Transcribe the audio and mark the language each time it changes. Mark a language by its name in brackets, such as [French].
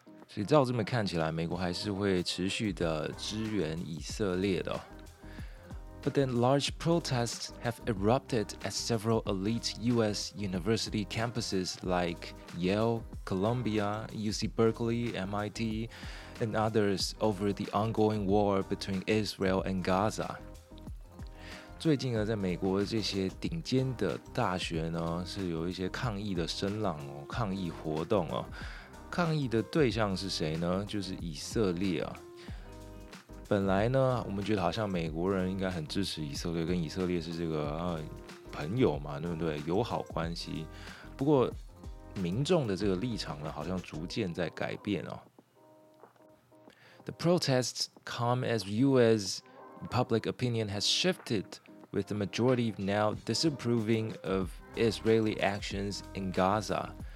[Chinese] 所以照这么看起来，美国还是会持续的支援以色列的、 [English] But then large protests have erupted at several elite U.S. university campuses like Yale, Columbia, UC Berkeley, MIT, and others over the ongoing war between Israel and Gaza. [Chinese] 最近呢，在美国这些顶尖的大学呢，是有一些抗议的声浪哦，抗议活动哦。抗议的对象是谁呢？就是以色列啊。本来呢，我们觉得好像美国人应该很支持以色列，跟以色列是这个、朋友嘛，对不对？友好关系。不过，民众的这个立场呢，好像逐渐在改变哦。 [English] The protests come as U.S. public opinion has shifted, with the majority now disapproving of Israeli actions in Gaza.